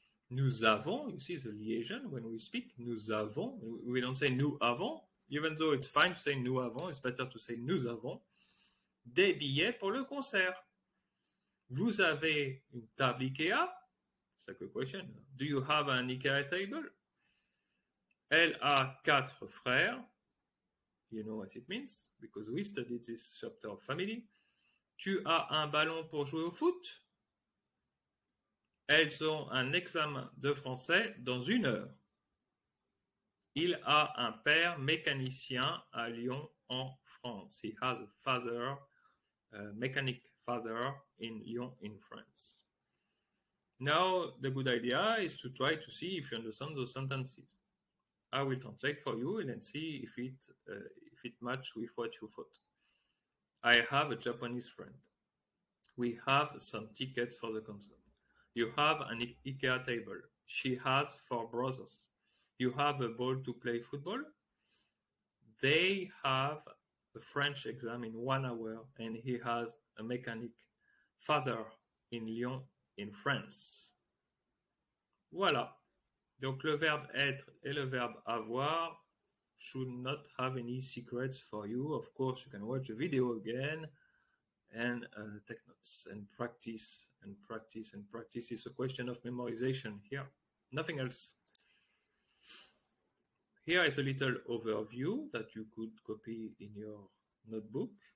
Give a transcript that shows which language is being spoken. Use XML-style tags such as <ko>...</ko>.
<en>Nous avons, you see the liaison when we speak,</en> <fr>nous avons, we don't say nous avons, even though it's fine to say nous avons, it's better to say nous avons, des billets pour le concert. Vous avez une table IKEA? C'est</fr> <en>like a question. Do you have an IKEA table?</en> <fr>Elle a quatre frères.</fr> <en>You know what it means, because we studied this chapter of family.</en> <fr>Tu as un ballon pour jouer au foot? Elles ont un examen de français dans 1 heure. Il a un père mécanicien à Lyon, en France.</fr> <en>He has a father, mechanic father in Lyon, in France. Now, the good idea is to try to see if you understand those sentences. I will translate for you and then see if it match with what you thought. I have a Japanese friend. We have some tickets for the concert. You have an IKEA table. She has four brothers. You have a ball to play football. They have a French exam in 1 hour, and he has a mechanic Father in Lyon in France. Voilà.</en> <fr>Donc le verbe être et le verbe avoir.</fr> <en>Should not have any secrets for you. Of course, you can watch the video again and take notes and practice and practice and practice. It's a question of memorization here. Nothing else. Here is a little overview that you could copy in your notebook.</en>